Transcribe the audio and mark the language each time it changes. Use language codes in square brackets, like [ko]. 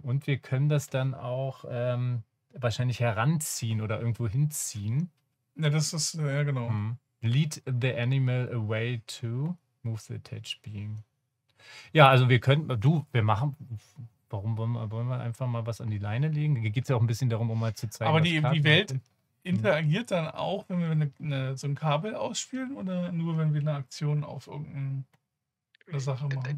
[de] Und wir können das dann auch wahrscheinlich heranziehen oder irgendwo hinziehen. Ja, das ist, ja genau. Hm. [en] Lead the animal away to move the attached being. [de] Ja, also wir könnten, wollen wir einfach mal was an die Leine legen? Da geht es ja auch ein bisschen darum, um mal zu zeigen, aber die Welt interagiert dann auch, wenn wir so ein Kabel ausspielen oder nur, wenn wir eine Aktion auf irgendeine Sache machen?